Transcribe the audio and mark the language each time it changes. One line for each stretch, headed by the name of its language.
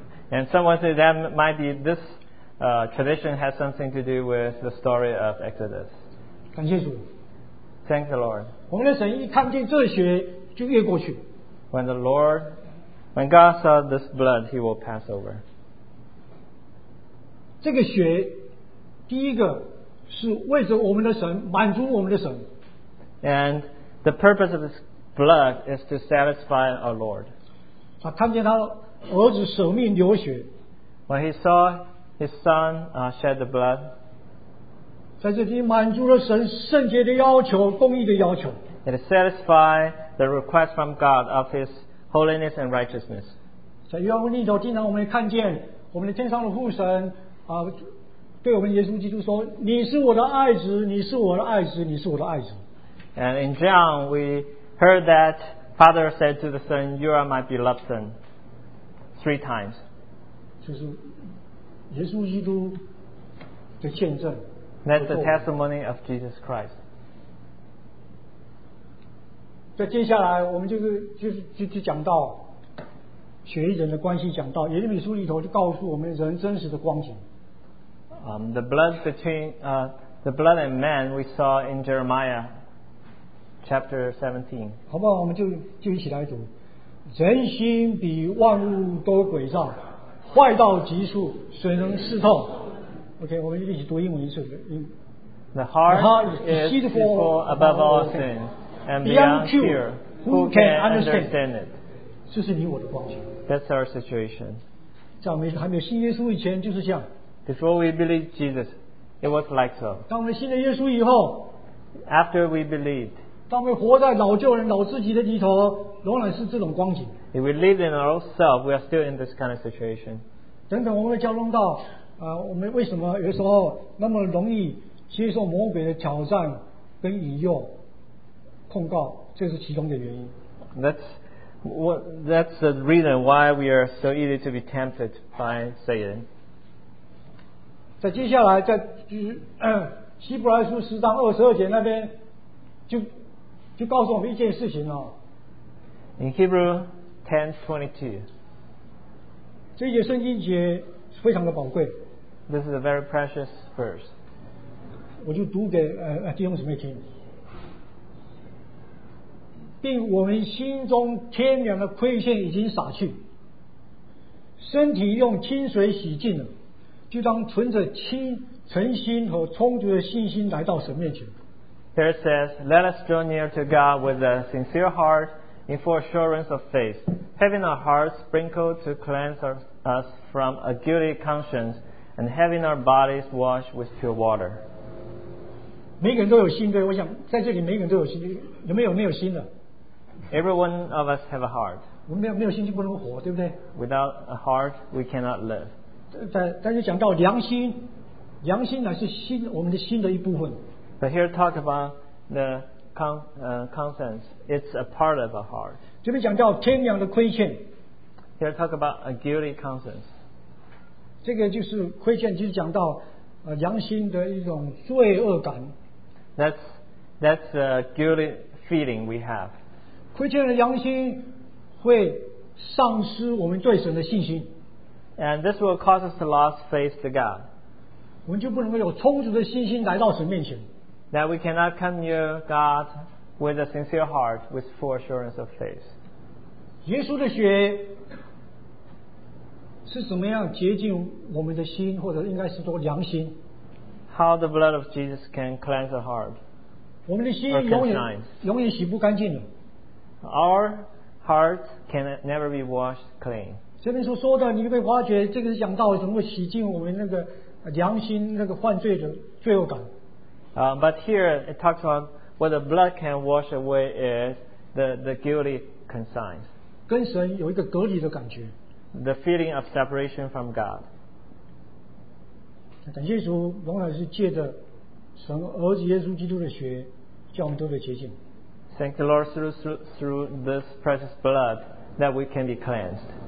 English: And someone said that might be this tradition has something to do with the story of Exodus.
Chinese: 感谢主。
English: Thank the Lord.
Chinese: 我们的神一看见这血就越过去。
English: When God saw this blood, He will pass over.
Chinese: 这个血，第一个是为着我们的神，满足我们的神。
English: And the purpose of this blood is to satisfy our Lord.
Chinese: 他看见他儿子舍命流血。
English: When he saw his son shed the blood,
Chinese: 在这里满足了神圣洁的要求、公义的要求。
English: It satisfied the request from God of his holiness and righteousness.
Chinese: 在约翰福音里头，经常我们看见我们的天上的父神。对我们耶稣基督说，你是我的爱子，你是我的爱子，你是我的爱子。
English: And in John, we heard that Father said to the Son, "You are my beloved Son." Three times.
Chinese: 就是耶稣基督的见证。
English: That's the testimony of Jesus Christ.
Chinese: 在接下来，我们就讲到血与人的关系，讲到耶利米书里头就告诉我们人真实的光景。
English: The blood between the blood and man we saw in Jeremiah chapter 17.
Chinese: 好吧，我们就一起来读。人心比万物都诡诈，坏到极处，谁能试透 ？OK， 我们一起读英文一次。
English: The heart is deceitful above all things, and beyond cure, who can understand it?
Chinese: 这是你我的光景。
English: That's our situation.
Chinese: 在我们还没有信耶稣以前，就是这样。
English: Before we believed Jesus, it was like so.
Chinese: 当我们信了耶稣以后，
English: after we believed,
Chinese: 当我们活在老旧人、老自己的里头，仍然是这种光景。
English: If we live in our own self, we are still in this kind of situation.
Chinese: 等等，我们会交通到，我们为什么有时候那么容易接受魔鬼的挑战跟引诱、控告，这是其中的原因。
English: That's the reason why we are so easy to be tempted by Satan.
Chinese: 在接下来，在希伯来书十章二十二节那边，就告诉我们一件事情哦。
English: In Hebrews 10:22,
Chinese: 这一节圣经节非常的宝贵。
English: This is a very precious verse.
Chinese: 我就读给弟兄姊妹听，并我们心中天然的亏欠已经洒去，身体用清水洗净了。就当存着诚心和充足的信心来到神面前。
English: Here it says, "Let us draw near to God with a sincere heart, in full assurance of faith, having our hearts sprinkled to cleanse us from a guilty conscience, and having our bodies washed with pure water."
Chinese: 每个人都有心，对，我想在这里每个人都有心，有没有心的
English: ？Every one of us have a heart.
Chinese: 我们没有心就不能活，对不对
English: ？Without a heart, we cannot live.
Chinese: 但是讲到良心乃是心我们的心的一部分。
English: But here talk about the conscience, it's a part of a heart.
Chinese: 这边讲到天良的亏欠。
English: Here talk about a guilty conscience.
Chinese: 这个就是亏欠，就是讲到良心的一种罪恶感。
English: That's the guilty feeling we have.
Chinese: 亏欠的良心会丧失我们对神的信心。
English: And this will cause us to lose faith to God.
Chinese: 我们就不能够有充足的信心来到神面前。
English: That we cannot come near God with a sincere heart, with full assurance of faith.
Chinese: 耶稣的血是怎么样洁净我们的心，或者应该是说良心？
English: How the blood of Jesus can cleanse the heart?
Chinese: 我们的心永远洗不干净的。
English: Our heart can never be washed clean.
Chinese: 这边说的，你被挖掘，这个是讲到怎么洗净我们那个良心那个犯罪的罪恶感。
English: But here it talks about what the blood can wash away is the guilty conscience.
Chinese: 跟神有一个隔离的感觉。
English: The feeling of separation from God.
Chinese: 感谢主，永远是借着神儿子耶稣基督的血，叫我们都被洁净。
English: Thank the Lord through this precious blood that we can be cleansed.